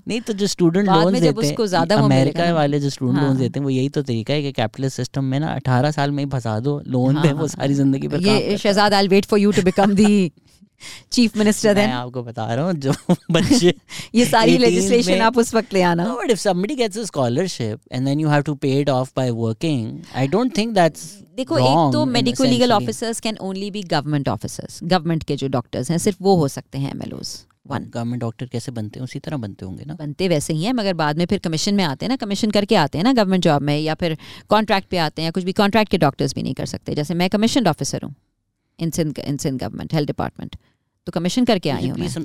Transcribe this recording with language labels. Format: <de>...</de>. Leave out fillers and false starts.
<hi>नहीं तो जो स्टूडेंट लोन देते हैं, अमेरिका वाले जो स्टूडेंट लोन देते हैं, वो यही तो तरीका है कि कैपिटलिस्ट सिस्टम में ना 18 साल में ही फंसा दो, लोन दे वो सारी जिंदगी.</hi> <en>ये Shahzad, I will wait for you to become the chief minister.</en> <hi>मैं आपको बता रहा हूँ जो बच्चे ये सारी लेजिस्लेशन आप उस वक्त ले आना.</hi> <en>No, but if somebody gets a scholarship and then you have to pay it off by working, I don't think that's wrong.</en> <hi>देखो एक तो medical legal officers</hi> <en>can only be government officers,</en> <hi>government के जो doctors हैं सिर्फ वो हो सकते हैं MLOs.</hi> <en>one</en> <hi>गवर्नमेंट डॉक्टर कैसे बनते हैं, उसी तरह बनते होंगे ना, बनते वैसे ही हैं, मगर बाद में फिर कमीशन में आते हैं ना, कमीशन करके आते हैं ना गवर्नमेंट जॉब में, या फिर कॉन्ट्रैक्ट पे आते हैं या कुछ भी. कॉन्ट्रैक्ट के डॉक्टर्स भी नहीं कर सकते. जैसे मैं कमीशन ऑफिसर हूँ</hi> <en>in Sindh government health department,</en> <hi>तो कमीशन करके आई हूँ.</hi>